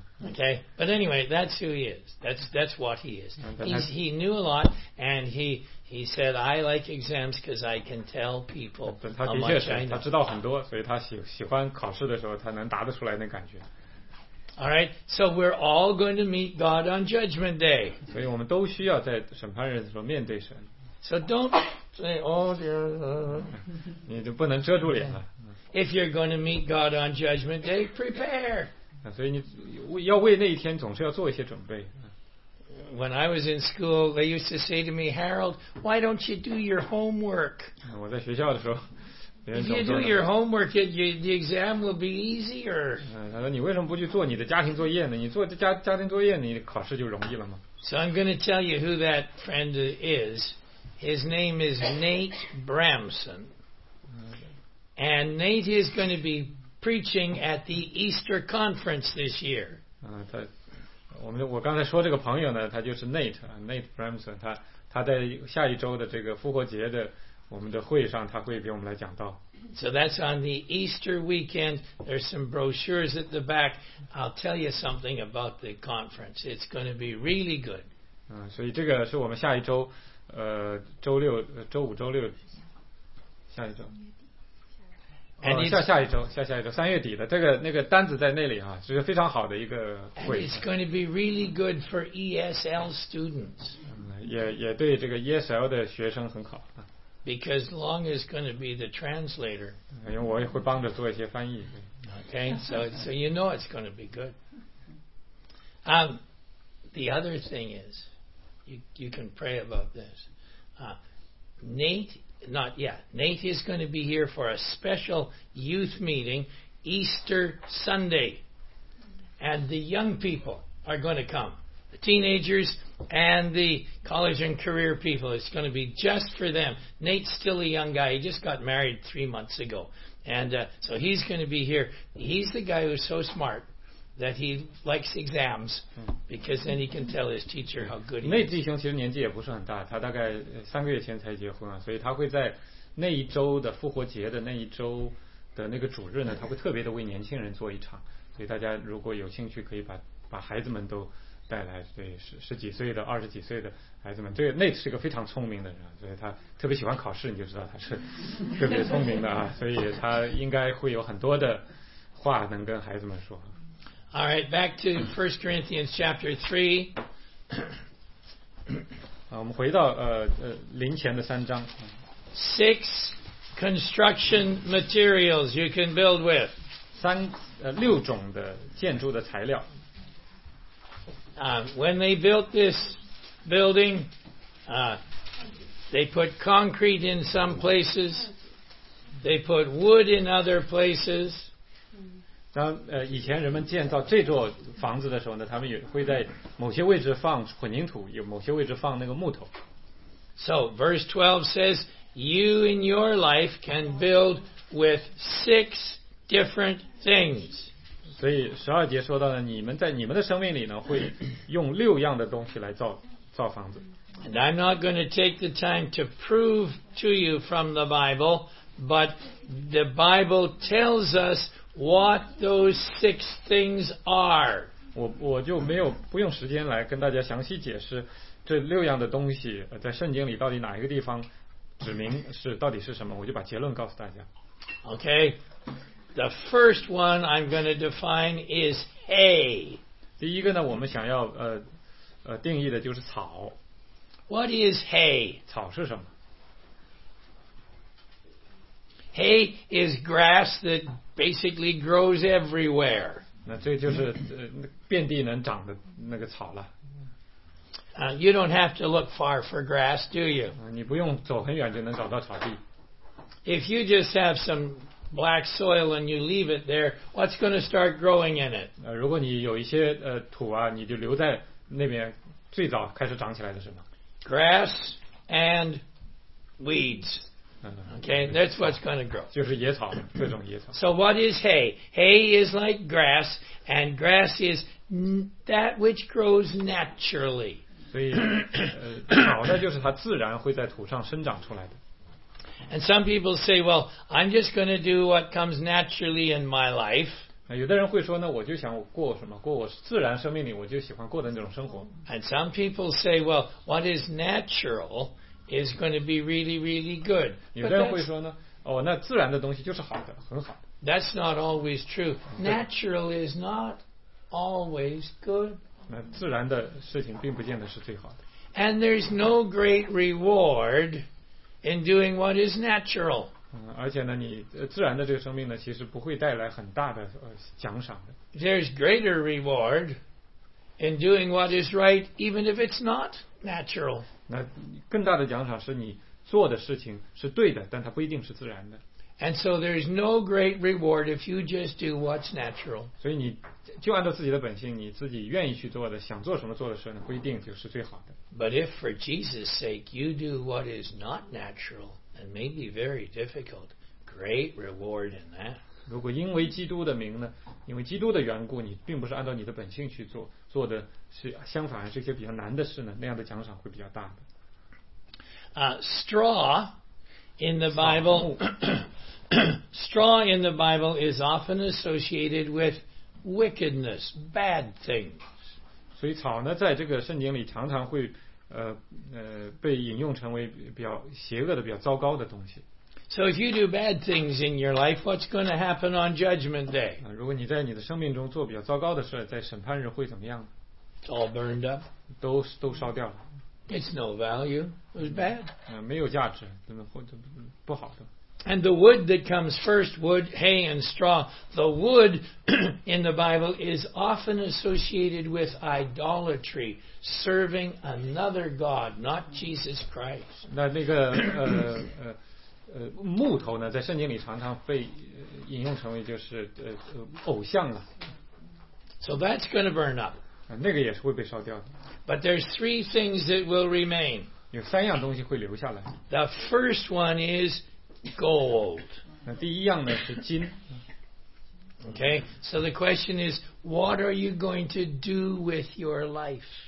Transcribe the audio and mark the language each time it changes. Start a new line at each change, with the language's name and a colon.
English: Okay, but anyway, that's who he is. That's what he is. He knew a lot, and he said, I like exams because I can tell people how much I know.
Chinese: 他知道很多，所以他喜欢考试的时候，他能答得出来那感觉。
English: All right, so we're all going to meet God on Judgment Day.
Chinese: 所以我们都需要在审判日的时候面对神。
English: So don't say, oh dear.
Chinese: 你就不能遮住脸了。
English: If you're going to meet God on Judgment Day, prepare.
Chinese: 所以你要为那一天总是要做一些准备。
English: When I was in school, they used to say to me, Harold, why don't you do your homework?
Chinese: 我在学校的时候，
English: If you do your homework, the exam will be easier.
Chinese: 他说你为什么不去做你的家庭作业呢？你做家庭作业，你考试就容易了吗？
English: So I'm going to tell you who that friend is. His name is Nate Bramson. And Nate is going to be preaching at the Easter conference this year.
Chinese: 我刚才说这个朋友呢，他就是 Nate Bramson， 他在下一周的这个复活节的我们的会上，他会给我们来讲道。
English: So that's on the Easter weekend. There's some brochures at the back. I'll tell you something about the conference. It's going to be really good.
Chinese: 所以这个是我们下一周，周六、周五、周六，下一周。下一周三月底的这个那个单子在那里啊，就是非常好的一个会。
English: It's going to be really good for ESL students.
Chinese: 也对这个 ESL 的学生很好。
English: Because Long is going to be the translator.
Chinese: 因为我也会帮着做一些翻译。
English: Okay, so you know it's going to be good. The other thing is, you can pray about this. Nate is going to be here for a special youth meeting Easter Sunday. And the young people are going to come. The teenagers and the college and career people. It's going to be just for them. Nate's still a young guy. He just got married 3 months ago. And so he's going to be here. He's the guy who's so smart that he likes exams because then he can tell his teacher how good he is.
Chinese: 那弟兄其实年纪也不是很大，他大概三个月前才结婚啊，所以他会在那一周的复活节的那一周的那个主日呢，他会特别的为年轻人做一场，所以大家如果有兴趣可以把孩子们都带来，对，十几岁的二十几岁的孩子们，这个内是一个非常聪明的人，所以他特别喜欢考试，你就知道他是特别聪明的啊，所以他应该会有很多的话能跟孩子们说。
English: All right, back to 1 Corinthians chapter 3.
Chinese: 我们回到灵前的三章。
English: Six construction materials you can build with.
Chinese: 六种的建筑的材料。
English: When they built this building, they put concrete in some places, they put wood in other places.
Chinese: 以前人们建造这座房子的时候呢，他们也会在某些位置放混凝土，有某些位置放那个木头。
English: So verse 12 says, you in your life can build with six different things.
Chinese: 所以十二节说到了，你们在你们的生命里呢，会用六样的东西来造房子。
English: And I'm not going to take the time to prove to you from the Bible, but the Bible tells us what those six things are.
Chinese: 我就没有不用时间来跟大家详细解释这六样的东西在圣经里到底哪一个地方指明是到底是什么，我就把结论告诉大家。
English: Okay, the first one I'm going to define is hay.
Chinese: 第一个呢，我们想要定义的就是草。
English: What is hay?
Chinese: 草是什么？
English: Hay is grass that basically grows everywhere.
Chinese: 那这就是遍地能长的那个草了。
English: You don't have to look far for grass, do you?
Chinese: 你不用走很远就能找到草地。
English: If you just have some black soil and you leave it there, what's going to start growing in it?
Chinese: 如果你有一些土啊，你就留在那边，最早开始长起来的是什么？
English: Grass and weeds. Okay, that's what's going to grow.
Chinese: 就是野草，各种野草。
English: So what is hay? Hay is like grass, and grass is that which grows naturally.
Chinese: 所以，草呢就是它自然会在土上生长出来的。
English: And some people say, well, I'm just going to do what comes naturally in my life.
Chinese: 有的人会说呢，我就想过什么，过我自然生命里我就喜欢过的那种生活。
English: And some people say, well, what is natural is going to be really, really good.
Chinese: 有的人会说呢，哦，那自然的东西就是好的，很好的。
English: That's not always true. Natural is not always good.
Chinese: 那自然的事情并不见得是最好的。
English: And there's no great reward in doing what is natural.
Chinese: 而且呢，你自然的这个生命呢，其实不会带来很大的奖赏的。
English: There's greater reward in doing what is right, even if it's not natural.
Chinese: 那更大的奖赏是你做的事情是对的，但它不一定是自然的。
English: And so there's no great reward if you just do what's natural.
Chinese: 所以你就按照自己的本性，你自己愿意去做的，想做什么做的事呢，不一定就是最好的。
English: But if for Jesus' sake you do what is not natural and maybe very difficult, great reward in that.
Chinese: 如果因为基督的名呢，因为基督的缘故，你并不是按照你的本性去做，做的是相反，是一些比较难的事呢，那样的奖赏会比较大的。
English: Straw in the Bible, straw in the Bible is often associated with wickedness, bad things.
Chinese: 所以草呢，在这个圣经里常常会被引用成为比较邪恶的、比较糟糕的东西。
English: So if you do bad things in your life, what's going to happen on Judgment Day?
Chinese: 如果你在你的生命中做比较糟糕的事，在审判日会怎么样
English: ？It's all burned up.
Chinese: 都烧掉了。
English: It's no value. It was bad.
Chinese: 没有价值，怎么会不好的？
English: And the wood that comes first, wood, hay, and straw, the wood in the Bible is often associated with idolatry, serving another God, not Jesus Christ.
Chinese: 那个木头呢，在圣经里常常被引用成为就是偶像了。
English: So that's going to burn up.
Chinese: 那个也是会被烧掉的。
English: But there's three things that will remain.
Chinese: 有三样东西会留下来。
English: The first one is gold.
Chinese: 那第一样呢是金。
English: Okay, so the question is, what are you going to do with your life?